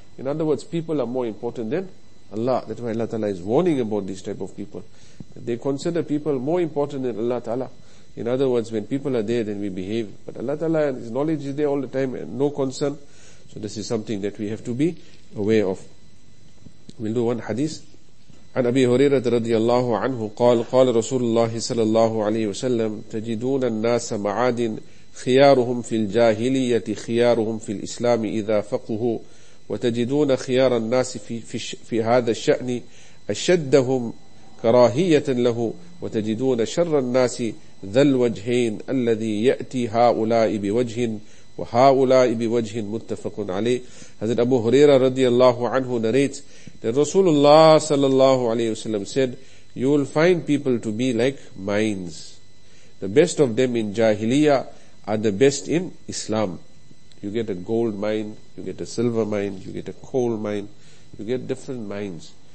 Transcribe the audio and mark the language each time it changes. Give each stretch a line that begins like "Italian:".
English: In other words, people are more important than Allah. That's why Allah Ta'ala is warning about these type of people. They consider people more important than Allah Ta'ala. In other words, when people are there, then we behave. But Allah Ta'ala and His knowledge is there all the time, and no concern. So this is something that we have to be aware of. We'll do one hadith.
Arabic: عن أبي هريرة رضي الله عنه قال قال رسول الله صلى الله عليه وسلم تجدون الناس معادن خيارهم في الجاهلية خيارهم في الإسلام إذا فقهوا وتجدون خيار الناس في هذا الشأن أشدهم كراهية له وتجدون شر الناس ذا الوجهين الذي يأتي هؤلاء بوجه وهؤلاء بوجه متفق عليه.
English: حضرت أبو هريرة رضي الله عنه narrates that Rasulullah sallallahu alayhi wasallam said, you will find people to be like mines. The best of them in Jahiliyyah are the best in Islam. You get a gold mine, you get a silver mine, you get a coal mine, you get different mines.